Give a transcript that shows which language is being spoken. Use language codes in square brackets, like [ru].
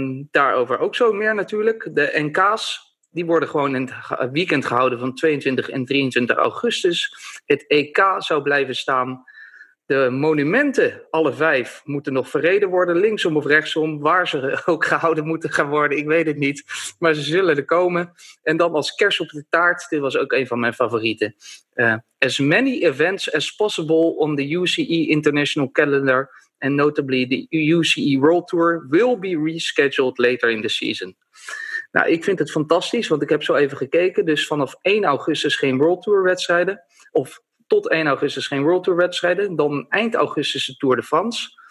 [nl] Daarover ook zo meer natuurlijk. De NK's, die worden gewoon in het weekend gehouden van 22 en 23 augustus. Het EK zou blijven staan. De monumenten, alle 5, moeten nog verreden worden, linksom of rechtsom. Waar ze ook gehouden moeten gaan worden, ik weet het niet. Maar ze zullen er komen. En dan als kers op de taart, dit was ook een van mijn favorieten. [en] As many events as possible on the UCI International Calendar, and notably the UCI World Tour, will be rescheduled later in the season. [nl] Nou, ik vind het fantastisch, want ik heb zo even gekeken. Dus vanaf 1 augustus geen World Tour wedstrijden. Of tot 1 augustus geen World Tour wedstrijden. Dan eind augustus de Tour de France.